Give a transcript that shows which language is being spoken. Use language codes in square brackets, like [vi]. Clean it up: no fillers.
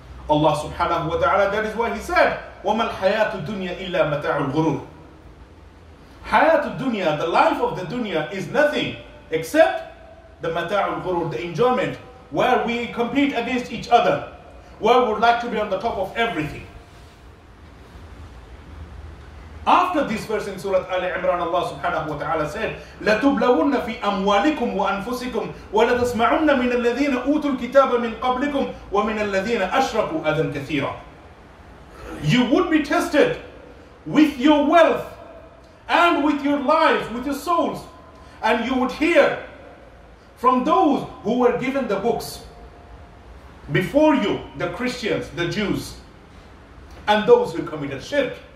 [ar] Allah subhanahu wa ta'ala, [en] that is why He said, [ar] وَمَا الْحَيَاةُ الدُّنْيَا إِلَّا مَتَاعُ الْغُرُورِ. [en] Hayat al-dunya, the life of the dunya, is nothing except the mata'ul ghurur, the enjoyment, where we compete against each other, where we would like to be on the top of everything. After this verse in Surah Ali Imran, Allah subhanahu wa ta'ala said, [ar] لَتُبْلَوُنَّ فِي أَمْوَالِكُمْ وَأَنفُسِكُمْ وَلَتَسْمَعُنَّ مِنَ الَّذِينَ أُوتُوا الْكِتَابَ مِنْ قَبْلِكُمْ وَمِنَ الَّذِينَ أَشْرَكُوا أَذًا كَثِيرًا. [en] You would be tested with your wealth and with your lives, with your souls, and you would hear from those who were given the books before you, the Christians, the Jews, and those who committed shirk.